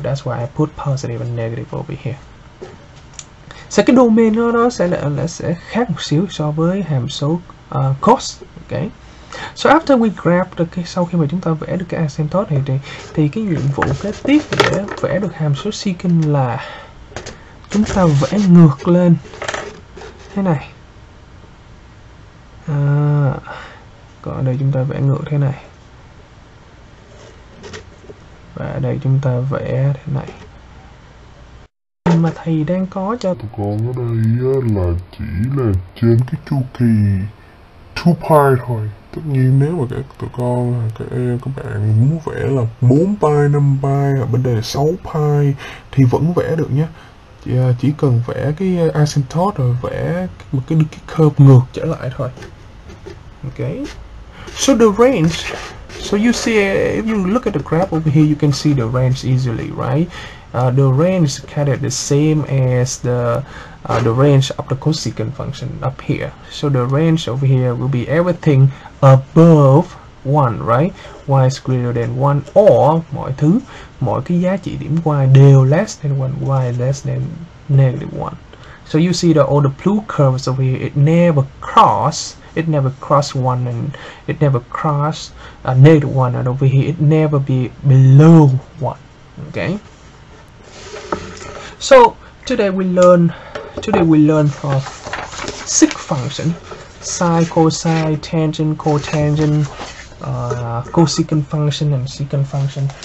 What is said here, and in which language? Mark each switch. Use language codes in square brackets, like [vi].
[en] That's why I put positive and negative over here. [vi] So cái domain nó sẽ là sẽ khác một xíu so với hàm số cos, okay? [en] So after we grab the [vi] sau khi mà chúng ta vẽ được cái asymptote thì cái nhiệm vụ kế tiếp để vẽ được hàm số secant là chúng ta vẽ ngược lên thế này. Còn ở đây chúng ta vẽ ngược thế này. Và ở đây chúng ta vẽ thế này. Mà thầy đang có cho con ở đây là chỉ là trên cái chu kỳ 2 pi thôi. Tất nhiên nếu mà các tụi con, các bạn muốn vẽ là 4 pi, 5 pi, ở bên đây là 6 pi thì vẫn vẽ được nhé. Chỉ cần vẽ cái asymptote rồi vẽ một cái curve ngược trở lại thôi. [en] Ok. So the range. So you see, if you look at the graph over here, you can see the range easily, right? The range is kind of the same as the range of the cosecant function up here. So the range over here will be everything above 1, right? Y is greater than 1, or [vi] mọi thứ, mọi cái giá trị điểm Y đều [en] less than 1, Y less than negative 1. So you see that all the blue curves over here, it never cross 1, and it never cross negative 1, and over here, it never be below 1, okay? So today we learn for sec function, sine, cosine, tangent, cotangent, cosecant function, and secant function.